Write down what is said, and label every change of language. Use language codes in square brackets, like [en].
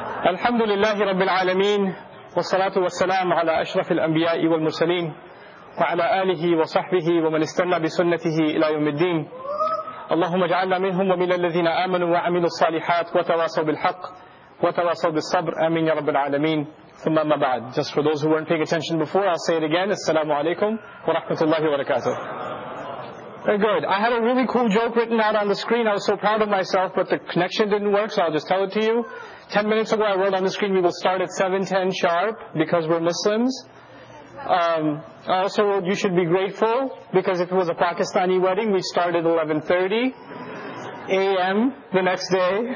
[ar] الحمد لله رب العالمين، والصلاة والسلام على أشرف الأنبياء والمرسلين وعلى آله وصحبه ومن استنى بسنته إلى يوم الدين. اللهم اجعلنا منهم ومن الذين آمنوا وعملوا الصالحات وتواصوا بالحق وتواصوا بالصبر، آمين يا رب العالمين. ثم ما بعد. [en] Just for those who weren't paying attention before, I'll say it again. [ar] السلام عليكم ورحمة الله وبركاته. [en] Very good. I have a really cool joke written out on the screen. I was so proud of myself, but the connection didn't work, so I'll just tell it to you. 10 minutes ago, I wrote on the screen, we will start at 7:10 sharp because we're Muslims. I also wrote, you should be grateful because if it was a Pakistani wedding, we'd start at 11:30 a.m. the next day.